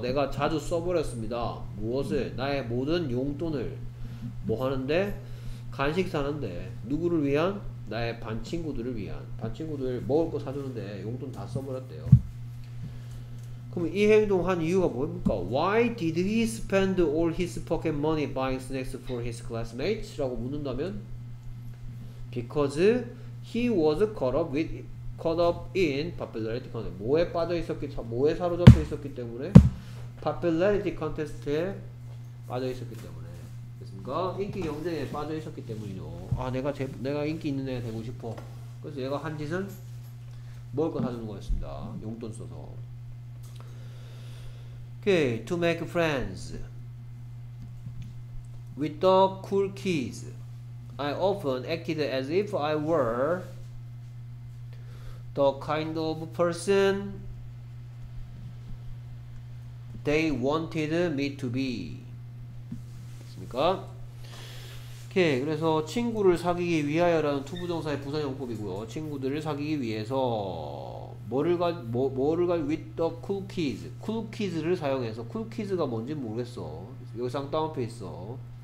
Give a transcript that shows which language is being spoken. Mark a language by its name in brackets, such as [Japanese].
[Korean] 내가 자주 써버렸습니다. 무엇을? 나의 모든 용돈을 뭐 하는데? 간식 사는데 누구를 위한? 나의 반 친구들을 위한 반 친구들 먹을 거 사주는데 용돈 다 써버렸대요. 그럼 이 행동 한 이유가 뭡니까? [English] Why did he spend all his pocket money buying snacks for his classmates? [Korean] 라고 묻는다면 [English] Because he was caught up in popularity contest. [Korean] 뭐에 빠져 있었기 뭐에 사로잡혀 있었기 때문에 popularity contest에 빠져 있었기 때문에 인기 경쟁에 빠져 있었기 때문이죠. 아, 내가 인기 있는 애 되고 싶어. 그래서 얘가 한 짓은 먹을 거 사주는 거였습니다. 용돈 써서. [English] Okay, to make friends with the cool kids, I often acted as if I were the kind of person they wanted me to be. [Korean] 됐습니까? 오케이. 그래서 친구를 사귀기 위하여라는 투부정사의 부사형법이고요. 친구들을 사귀기 위해서 [English] with the cool kids. [Korean] cool kids를 사용해서 cool kids가 뭔지 모르겠어. 여기 쌍따옴표 있어.